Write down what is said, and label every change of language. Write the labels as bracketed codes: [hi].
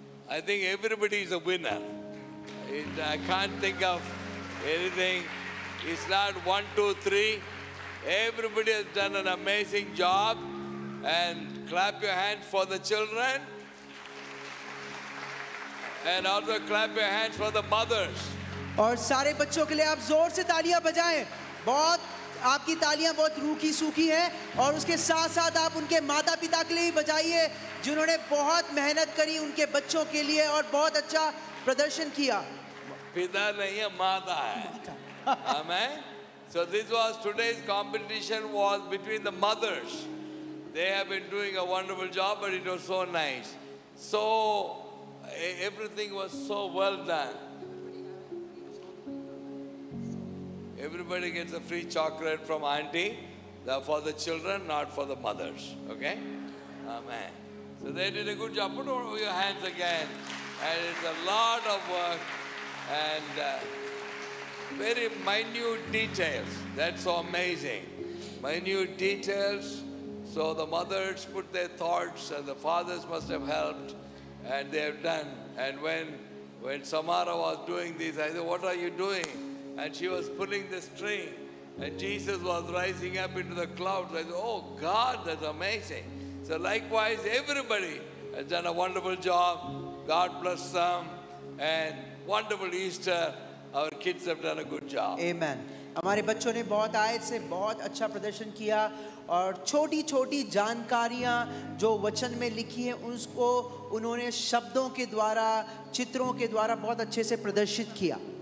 [en] I think everybody is a winner. I can't think of anything. It's not one, two, three. Everybody has done an amazing job. And clap your hands for the children. And also clap your hands for the mothers. [hi] और सारे बच्चों के लिए आप जोर से तालियां बजाएं। बहुत आपकी तालियां बहुत रूखी सूखी हैं और उसके साथ साथ आप उनके माता पिता के लिए भी बजाइए जिन्होंने बहुत मेहनत करी उनके बच्चों के लिए और बहुत अच्छा प्रदर्शन किया पिता नहीं है माता है [en] Amen so this was today's competition was between the mothers they have been doing a wonderful job but it was so nice so everything was so well done Everybody gets a free chocolate from auntie for the children, not for the mothers. Okay? Amen. So they did a good job. Put over your hands again. And it's a lot of work and very minute details. That's so amazing. Minute details. So the mothers put their thoughts and the fathers must have helped and they have done. And when Samara was doing this, I said, what are you doing? And she was pulling the string and Jesus was rising up into the clouds. I said, oh God, that's amazing. So likewise, everybody has done a wonderful job. God bless them and wonderful Easter. Our kids have done a good job. Amen. [hi] हमारे बच्चों ने बहुत आय से बहुत अच्छा प्रदर्शन किया और छोटी छोटी जानकारियाँ जो वचन में लिखी हैं उसको उन्होंने शब्दों के द्वारा चित्रों के द्वारा बहुत अच्छे से प्रदर्शित किया